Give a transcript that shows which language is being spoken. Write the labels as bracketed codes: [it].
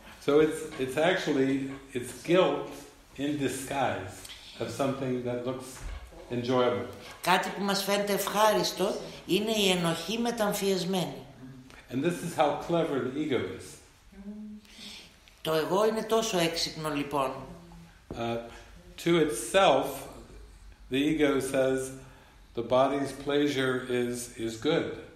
[en] So it's actually guilt in disguise of something that looks enjoyable. [el] Κάτι που μας φαίνεται ευχάριστο είναι η ενοχή μεταμφιεσμένη. [en] And this is how clever the ego is. [el] Το εγώ είναι τόσο έξυπνο, λοιπόν. [en] To itself, the ego says the body's pleasure is good.